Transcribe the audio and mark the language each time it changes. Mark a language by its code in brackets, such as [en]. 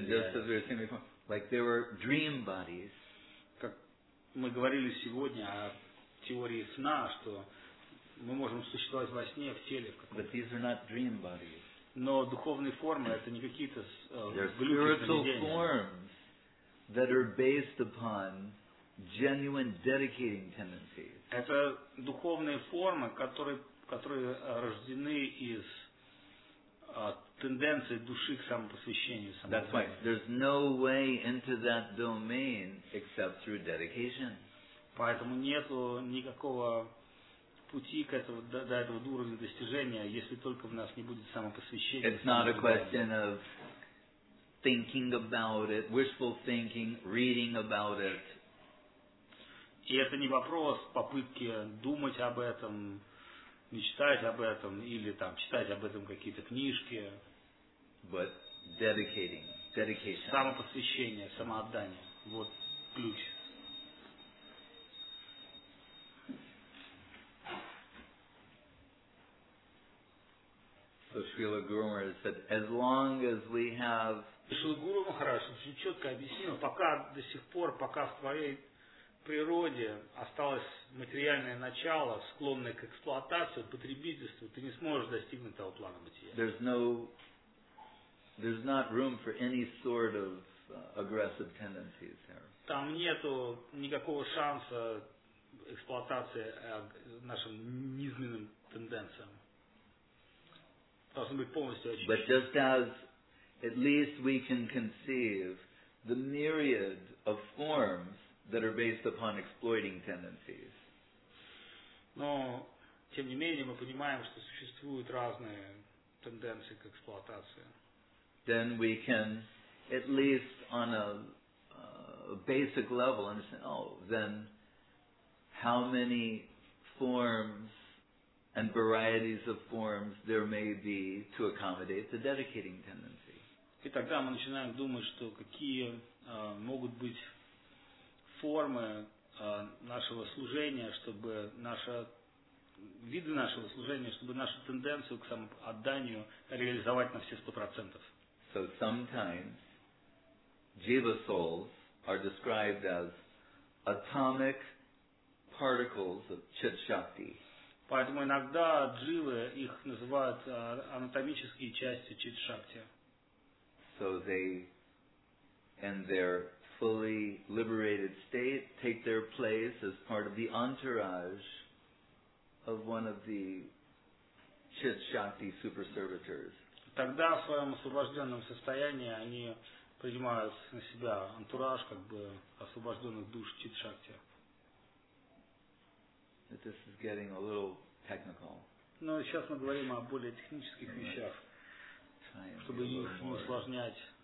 [en] And just as we were saying before, like there were dream bodies. [ru] Как мы говорили сегодня о теории сна, что мы можем существовать во сне в теле. [en] But these are not dream bodies. [ru] Но духовные формы это не какие-то глюки. [en] That are based upon genuine dedicating tendencies. [ru] Это духовные формы, которые рождены из тенденции души к самопосвящению. [en] That's why there's no way into that domain except through dedication. [ru] Поэтому нету никакого пути к этого до этого уровня достижения, если только в нас не будет самопосвящения. [en] It's not a question of thinking about it, wishful thinking, reading about it. [ru] И это не вопрос попытки думать об этом, мечтать об этом или там читать об этом какие-то книжки. [en] But dedicating, dedication. [ru] Самопосвящение, самоотдание. Вот ключ. [en] So Srila Gurumaharaj said, as long as we have [ru] Шри Гуру Махарадж очень четко объяснил, пока до сих пор, пока в твоей природе осталось материальное начало, склонное к эксплуатации, потребительству, ты не сможешь достигнуть того плана бытия. [en] There's not room for any sort of aggressive tendencies there. [ru] Там нету никакого шанса эксплуатации нашим низменным тенденциям. Должны быть полностью очищены. [en] But just as at least we can conceive the myriad of forms that are based upon exploiting tendencies. [ru] Но тем не менее мы понимаем, что существуют разные тенденции к эксплуатации. [en] Then we can at least on a basic level understand, oh, then how many forms and varieties of forms there may be to accommodate the dedicating tendency. [ru] И тогда мы начинаем думать, что какие могут быть формы нашего служения, чтобы наша виды нашего служения, чтобы нашу тенденцию к самоотданию реализовать на все 100%. [en] So sometimes jiva souls are described as atomic particles of chit shakti. [ru] Поэтому иногда дживы их называют анатомические части чит шакти. [en] So they, in their fully liberated state, take their place as part of the entourage of one of the chit shakti super servitors. [ru] Тогда в своем освобожденном состоянии они принимают на себя антураж как бы освобожденных душ чит-шакти. [en] This is getting a little technical. [ru] Но сейчас мы говорим о более технических вещах, чтобы их не усложнять.